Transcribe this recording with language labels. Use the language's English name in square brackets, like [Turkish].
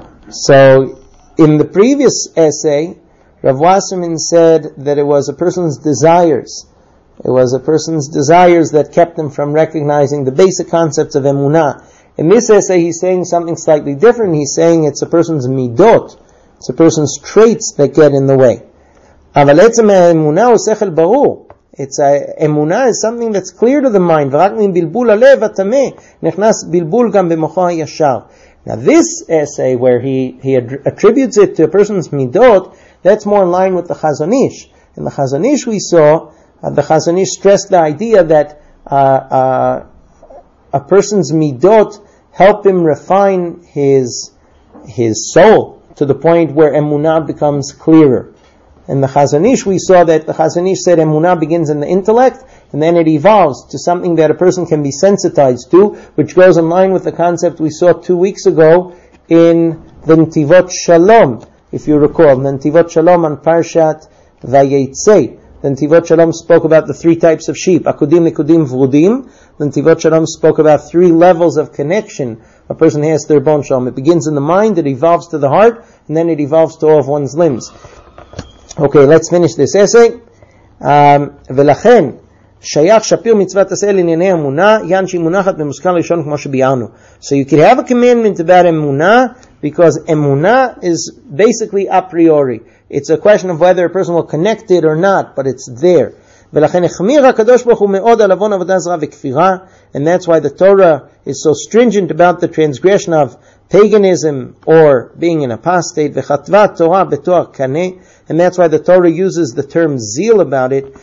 [English] So, in the previous essay, Rav Wasserman said that it was a person's desires. It was a person's desires that kept him from recognizing the basic concepts of emunah. In this essay, he's saying something slightly different. He's saying it's a person's midot. It's a person's traits that get in the way. [Hebrew] אבל עצם האמונה הוא שכל ברור. [English] It's a, אמונה is something that's clear to the mind. [Hebrew] ורק מבלבול הלב, התמה, נכנס בלבול גם במוחו הישר. [English] Now this essay where he attributes it to a person's midot, that's more in line with the Chazon Ish. In the Chazon Ish we saw, the Chazon Ish stressed the idea that a person's midot help him refine his soul to the point where emunah becomes clearer. In the Chazon Ish we saw that the Chazon Ish said emunah begins in the intellect and then it evolves to something that a person can be sensitized to, which goes in line with the concept we saw 2 weeks ago in the Ntivot Shalom, if you recall. The Ntivot Shalom on Parshat Vayetze. The Ntivot Shalom spoke about the three types of sheep, Akudim, Nekudim, Vrudim. The Ntivot Shalom spoke about three levels of connection a person has to their bon shalom. It begins in the mind, it evolves to the heart, and then it evolves to all of one's limbs. Okay, let's finish this essay. [Hebrew] ולכן, שייך שפיר מצוות עשה לענייני אמונה, יען שהיא מונחת במושכל ראשון כמו שביארנו. [English] So you could have a commandment about אמונה, because אמונה is basically a priori. It's a question of whether a person will connect it or not, but it's there. [Hebrew] ולכן החמיר הקדוש ברוך הוא מאוד על עוון עבודה זרה וכפירה, [English] and that's why the Torah is so stringent about the transgression of paganism or being an apostate, [Hebrew] וכתבה תורה בתואר קנה, [English] and that's why the Torah uses the term zeal about it.